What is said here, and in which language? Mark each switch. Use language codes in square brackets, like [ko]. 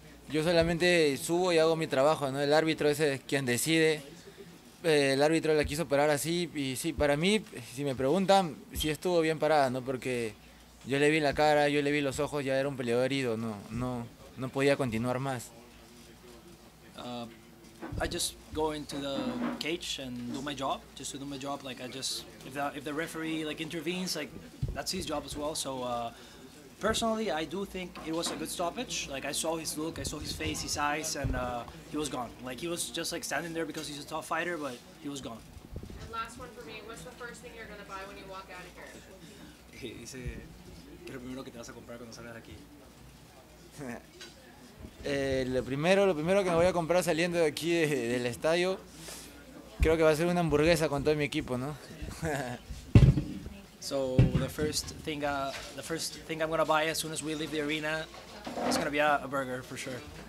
[es] Yo solamente subo y hago mi trabajo, ¿no? El árbitro ese es quien decide. El árbitro la quiso parar así y sí, para mí, si me preguntan, sí estuvo bien parada, ¿no? Porque yo le vi la cara, yo le vi los ojos, ya era un peleador herido, no podía continuar más. [en] I just go into the cage and do my job, just to do my job. Like I just, if the referee like intervenes, like that's his job as well. So personally, I do think it was a good stoppage. Like I saw his look, I saw his face, his eyes, and he was gone. Like he was just like standing there because he's a tough fighter, but he was gone. And last one for me, what's the first thing you're gonna buy when you walk out of here? He said, [es] ¿qué es lo primero que te vas a comprar cuando salgas de aquí? Lo primero que me voy a comprar saliendo de aquí del estadio, creo que va a ser una hamburguesa con todo mi equipo, ¿no? [en] So the first thing I'm gonna buy as soon as we leave the arena is gonna be a burger for sure.